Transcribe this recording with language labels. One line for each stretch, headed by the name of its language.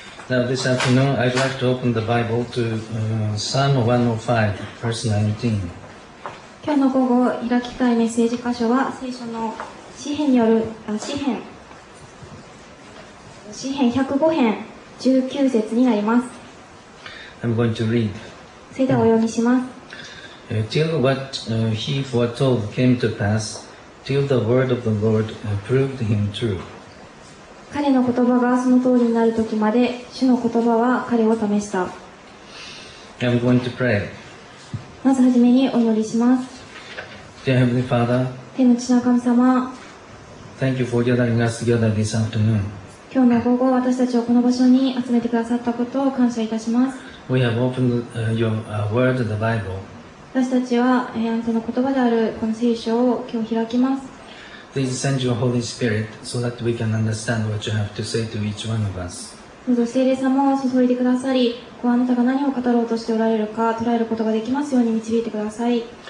English: Now this afternoon, I'd like to open the Bible to Psalm 105, verse 19.
Japanese: 今日の午後、開きたいメッセージ箇所は、聖書の詩編による、詩編105編19節になります。
English: I'm going to read.
Japanese: それではお読みします。
English: Till what he foretold came to pass, till the word of the Lord proved him true.
Japanese: 彼の言葉がその通りになる時まで主の言葉は彼を試した。
English: I'm going to pray.
Japanese: まずはじめにお祈りします。
English: Dear Heavenly Father,
Japanese: 天の父の神様、
English: Thank you for gathering us together this afternoon.
Japanese: 今日の午後、私たちをこの場所に集めてくださったことを感謝いたします。
English: We have opened your word, the Bible.
Japanese: 私たちは、あなたの言葉であるこの聖書を今日開きます。
English: Please send your Holy Spirit so that we can understand what you have to say to each one of us.
Japanese: どうぞ聖霊様を注いでくださり、あなたが何を語ろうとしておられるか捉えることができますように導いてください。